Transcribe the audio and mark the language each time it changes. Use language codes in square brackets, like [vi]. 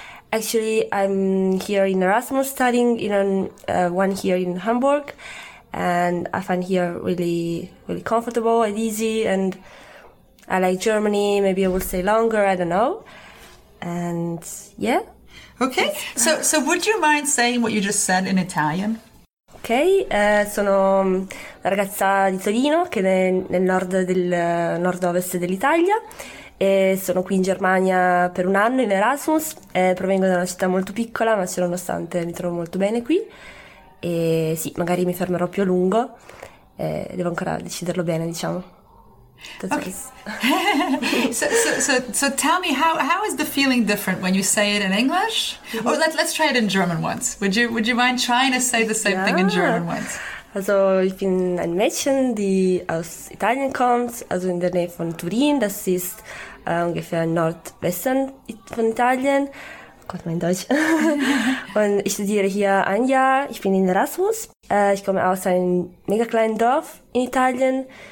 [en] Actually, I'm here in Erasmus studying in one here in Hamburg, and I find here really, really comfortable and easy, and I like Germany. Maybe I will stay longer, I don't know. And yeah. Okay, so would you mind saying what you just said in Italian? [it] Okay, sono una ragazza di Torino, che è nel nord del nord-ovest dell'Italia, e sono qui in Germania per un anno in Erasmus. Provengo da una città molto piccola, ma ciononostante mi trovo molto bene qui. E sì, magari mi fermerò più a lungo, devo ancora deciderlo bene, diciamo. [en] So tell me, how is the feeling different when you say it in English? Mm-hmm. Or let's try it in German once. Would you mind trying to say the same thing in German once? [de] Also, ich bin ein Mädchen, die aus Italien kommt, also in der Nähe von Turin, das ist ungefähr Nordwesten von Italien. Oh Gott, mein Deutsch. Und ich studiere hier ein Jahr, ich bin in Erasmus. Ich komme aus einem mega kleinen Dorf in Italien.